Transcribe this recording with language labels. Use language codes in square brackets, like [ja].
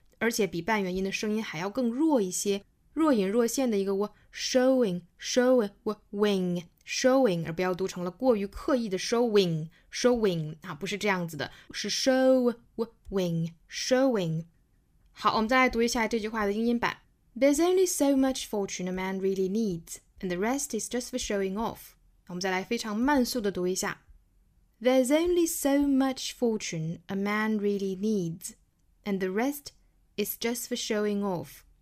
[zh] 而且比半元音的声音还要更弱一些，若隐若现的一个 showing showing wing showing， 而不要读成了过于刻意的 showing showing、啊、不是这样子的，是 showing showing。好，我们再来读一下这句话的英音版。 [en] There's only so much fortune a man really needs, and the rest is just for showing off. [zh] 我们再来非常慢速的读一下。 [en] There's only so much fortune a man really needs, and the rest is just for showing off.